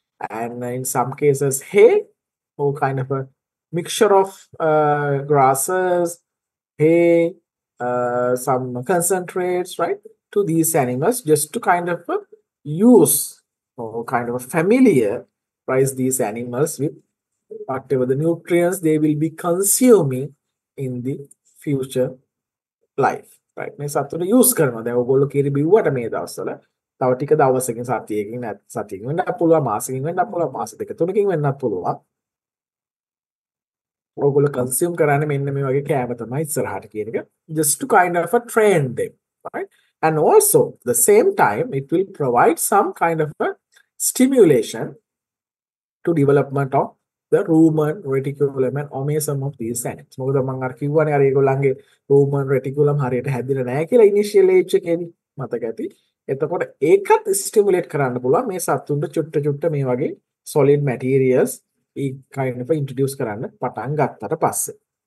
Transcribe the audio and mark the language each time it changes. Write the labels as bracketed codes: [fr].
[en] and in some cases hay, or kind of a mixture of grasses, hay, some concentrates, right, to these animals, just to kind of use or kind of familiarize these animals with whatever the nutrients they will be consuming in the future life, right? [si] මේ සත්තුට use කරනවා. දැන් ඔයගොල්ලෝ කිරි බිව්වට මේ දවස්වල තව ටික දවසකින් සතියකින් සතියකින් වෙන්න පුළුවන්, මාසෙකින් වෙන්න පුළුවන්, මාස දෙක තුනකින් වෙන්නත් පුළුවන්. ඔයගොල්ලෝ consume කරන්නේ මෙන්න මේ වගේ කෑම තමයි ඉස්සරහට කියන එක. [en] Just to kind of train them, right? And also the same time it will provide some kind of a stimulation to development of the rumen, reticulum, and omasum of these animals. [si] මොකද මම අර කිව්වනේ අර ඒගොල්ලන්ගේ rumen reticulum හරියට හැදිලා නැහැ කියලා initial age එකේදී මතක ඇති. එතකොට ඒකත් stimulate කරන්න පුළුවන් මේ සත්තුන්ට චුට්ට චුට්ට මේ වගේ solid materials A kind of introduce කරන්න පටන් ගත්තට පස්සේ.